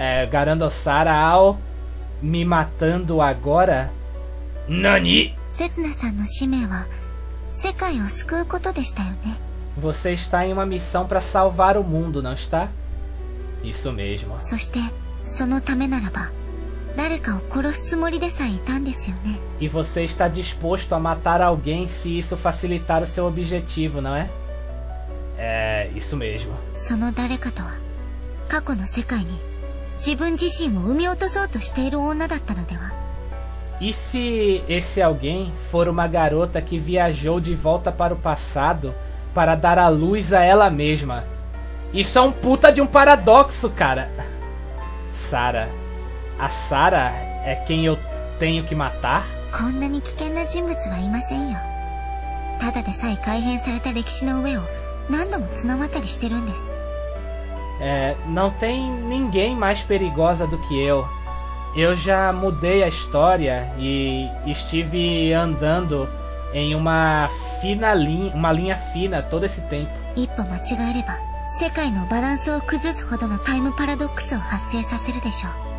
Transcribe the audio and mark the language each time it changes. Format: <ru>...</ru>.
<pt>Garando Sarah ao me matando agora?</pt> <ja>何？刹那さんの使命は世界を救うことでしたよね。</ja> <pt>Você está em uma missão para salvar o mundo, não está? Isso mesmo.</pt> <ja>そしてそのためならば誰かを殺すつもりでさえいたんですよね。</ja> <pt>E você está disposto a matar alguém se isso facilitar o seu objetivo, não é? É, isso mesmo.</pt> <ja>その誰かとは過去の世界に自分自身を生み落とそうとしている女だったのでは？</ja> <pt>E se esse alguém for uma garota que viajou de volta para o passado para dar a luz a ela mesma? Isso é um puta de um paradoxo, cara. Sarah. A Sarah é quem eu tenho que matar?</pt> <ja>こんなに危険な人物はいませんよ。ただでさえ改変された歴史の上を何度も綱渡りしてるんです。</ja> <pt>É, não tem ninguém mais perigosa do que eu. Eu já mudei a história e estive andando em uma fina linha, uma linha fina todo esse tempo.</pt> <ja>一歩間違えれば、世界のバランスを崩すほどのタイムパラドックスを発生させるでしょう。</ja>